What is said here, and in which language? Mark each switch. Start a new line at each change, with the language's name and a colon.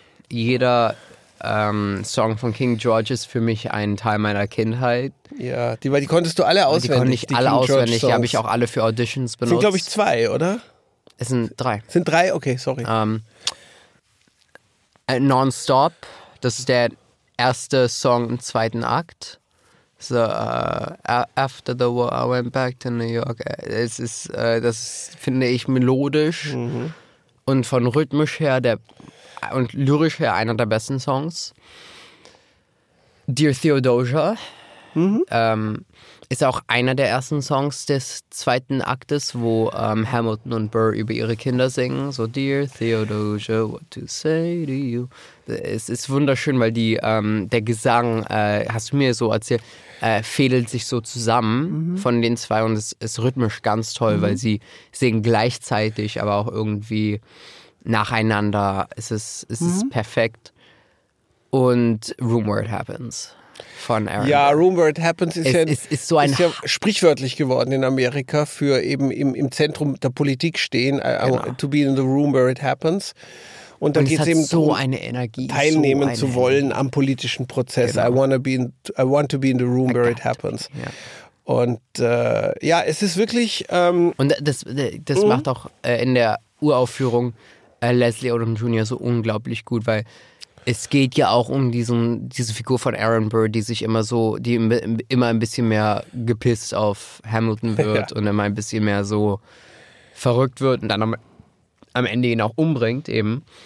German: Jeder Song von King George ist für mich ein Teil meiner Kindheit. Ja, die konntest du alle auswendig. Die konnte ich alle auswendig. Die habe ich auch alle für Auditions benutzt. Sind, glaube ich, zwei, oder? Es sind drei. Sind drei? Okay, sorry. Nonstop, das ist der erste Song im zweiten Akt.
English: So, after the war, I went back to New York.
German: Es ist, das finde ich melodisch und von rhythmisch her der. Und lyrisch wäre einer der besten Songs. Dear Theodosia. Ist auch einer der ersten Songs des zweiten Aktes, wo Hamilton und Burr über ihre Kinder singen.
English: So, Dear Theodosia, what to say to you.
German: Es ist wunderschön, weil die, der Gesang, hast du mir so erzählt, fädelt sich so zusammen von den zwei. Und es ist rhythmisch ganz toll, weil sie singen gleichzeitig, aber auch irgendwie nacheinander. Es ist perfekt. Und Room Where It Happens von Aaron. Ja, Room Where It Happens ist ja sprichwörtlich geworden in Amerika für eben im Zentrum der Politik stehen,
English: to be in the room where it happens.
German: Und dann geht es eben so darum, eine Energie, teilnehmen so eine zu wollen Energie. Am politischen Prozess. Genau.
English: I want to be in the room where it happens. Yeah.
German: Und es ist wirklich... Und das macht auch in der Uraufführung Leslie Odom Jr. so unglaublich gut, weil es geht ja auch um diese Figur von Aaron Burr, die sich immer so, die immer ein bisschen mehr gepisst auf Hamilton wird und immer ein bisschen mehr so verrückt wird und dann am Ende ihn auch umbringt eben.